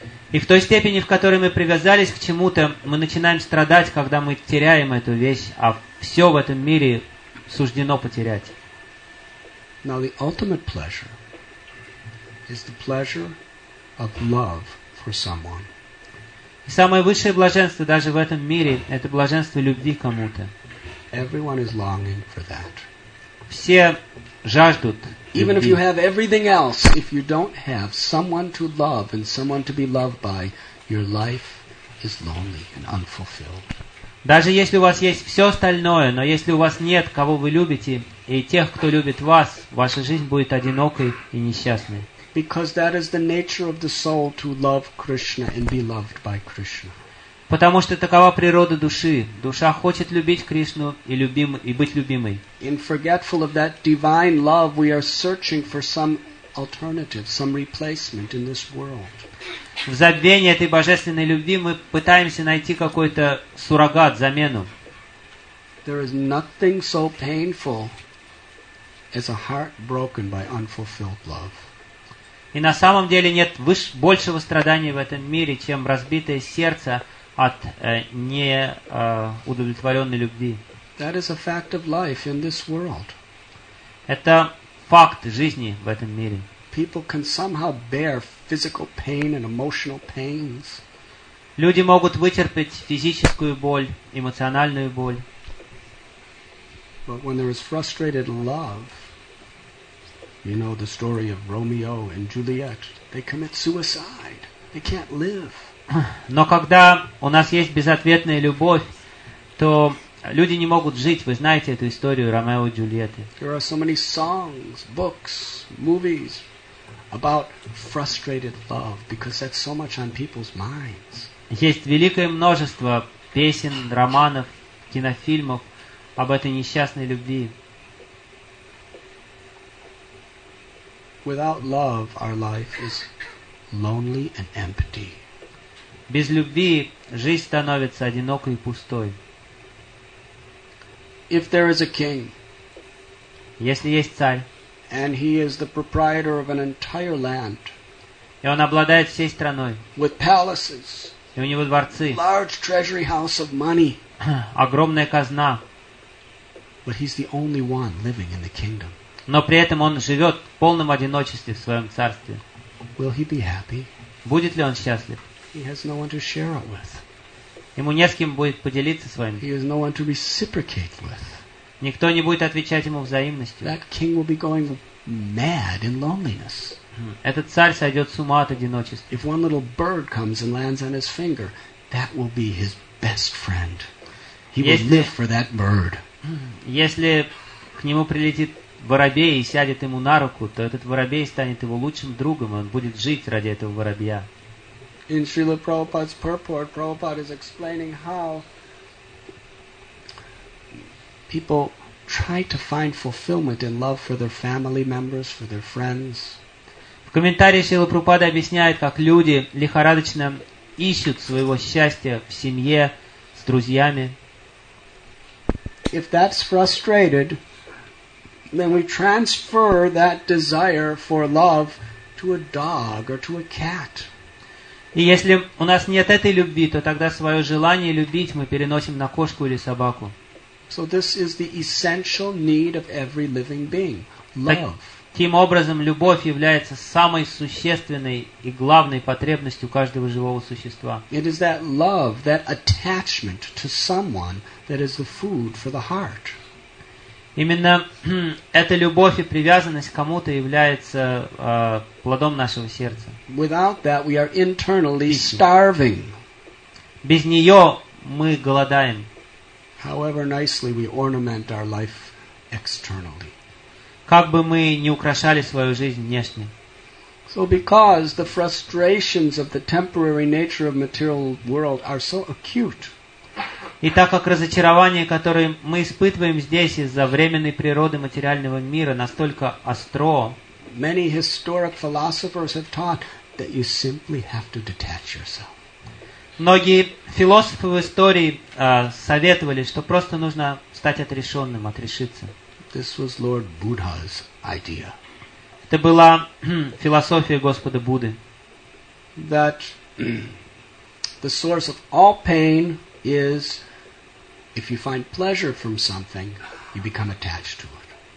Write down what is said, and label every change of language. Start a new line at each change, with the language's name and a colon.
Russian: И в той степени, в которой мы привязались к чему-то, мы начинаем страдать, когда мы теряем эту вещь, а все в этом мире суждено потерять.
English: Now the ultimate pleasure is the pleasure of love for someone.
Russian: И самое высшее блаженство даже в этом мире – это блаженство любви кому-то.
English: Everyone is longing for that.
Russian: Все жаждут.
English: Even if you have everything else, if you don't have someone to love and someone to be loved by, your life is lonely and unfulfilled.
Russian: Даже если у вас есть все остальное, но если у вас нет кого вы любите и тех, кто любит вас, ваша жизнь будет одинокой и несчастной.
English: Because that is the nature of the soul to love Krishna and be loved by Krishna.
Russian: Потому что такова природа души. Душа хочет любить Кришну и любим, и быть любимой.
English: In forgetful of that divine love, we are searching for some alternative, some replacement in this world.
Russian: В забвении этой божественной любви мы пытаемся найти какой-то суррогат, замену.
English: There is nothing so painful as a heart broken by unfulfilled love.
Russian: И на самом деле нет большего страдания в этом мире, чем разбитое сердце от неудовлетворенной любви.
English: That is a fact of life in this world.
Russian: Это факт жизни в этом мире.
English: People can somehow bear physical pain and emotional pains.
Russian: Люди могут вытерпеть физическую боль, эмоциональную боль.
English: But when there is frustrated love, you know the story of Romeo and Juliet. They commit suicide. They can't live.
Russian: Но когда у нас есть безответная любовь, то люди не могут жить. Вы знаете эту историю Ромео и Джульетты.
English: There are so many songs, books, movies about frustrated love because that's so much on people's minds.
Russian: Есть великое множество песен, романов, кинофильмов об этой несчастной любви.
English: Without love, our life is lonely and empty.
Russian: Без любви жизнь становится одинокой и пустой.
English: If there is a king,
Russian: если есть царь,
English: and he is the proprietor of an entire land,
Russian: и он обладает всей страной,
English: with palaces,
Russian: и у него дворцы,
English: large treasury house of money,
Russian: огромная казна,
English: but he's the only one living in the kingdom.
Russian: Но при этом он живет в полном одиночестве в своем царстве.
English: Will he be happy?
Russian: Будет ли он счастлив?
English: He has no one to share it with.
Russian: Ему не с кем будет поделиться своим.
English: He has no one to reciprocate with.
Russian: Никто не будет отвечать ему взаимностью.
English: That king will be going mad in loneliness.
Russian: Этот царь сойдет с ума от одиночества.
English: If one little bird comes and lands on his finger, that will be his best friend. He will live for that bird.
Russian: Если к нему прилетит воробей и сядет ему на руку, то этот воробей станет его лучшим другом, и он будет жить ради этого воробья.
English: In Srila Prabhupada's purport, Prabhupada is explaining how people try to find fulfillment in love for their family members, for their friends.
Russian: В комментарии Шрила Прабхупада объясняет, как люди лихорадочно ищут своего счастья в семье, с друзьями.
English: If that's frustrated, then we transfer that desire for love to a dog or to a cat.
Russian: И если у нас нет этой любви, то тогда свое желание любить мы переносим на кошку или собаку.
English: So this is the essential need of every living being. Love.
Russian: Таким образом, любовь является самой существенной и главной потребностью каждого живого существа.
English: It is that love, that attachment to someone that is the food for the heart.
Russian: Именно эта любовь и привязанность к кому-то является плодом нашего сердца.
English: Without that, we are internally starving.
Russian: Без нее мы голодаем.
English: However nicely we ornament our life externally.
Russian: Как бы мы ни украшали свою жизнь внешне.
English: So because the frustrations of the temporary nature of material world are so acute.
Russian: И так как разочарование, которое мы испытываем здесь из-за временной природы материального мира, настолько остро,
English: many historic philosophers have taught that you simply have to detach yourself.
Russian: Многие философы в истории советовали, что просто нужно стать отрешенным, отрешиться.
English: This was Lord Buddha's idea.
Russian: Это была философия Господа Будды.
English: That the source of all pain is if you find pleasure from something, you become attached to it.